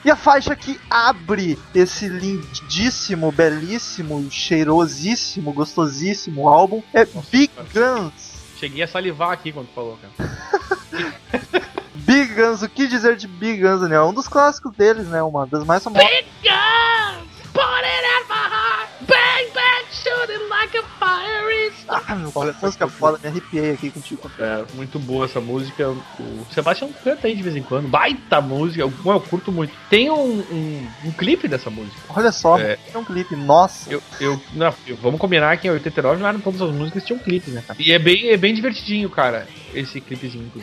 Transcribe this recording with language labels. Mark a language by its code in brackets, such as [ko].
[pt] E a faixa que abre esse lindíssimo, belíssimo, cheirosíssimo, gostosíssimo álbum é Big Guns. Cheguei a salivar aqui quando falou, cara. Big Guns, o que dizer de Big Guns, né? Um dos clássicos deles, né? Uma das mais famosas. [en] Big Guns! Put it at my heart! Bang, bang, shooting like a fire is [pt] música foda, me arrepiei aqui contigo. É, muito boa essa música. O Sebastião canta aí de vez em quando. Baita música, eu curto muito. Tem um clipe dessa música. Olha só, tem um clipe, nossa. Vamos combinar que em 89 não eram todas as músicas, tinha um clipe, né, cara? E é bem divertidinho, cara, esse clipezinho.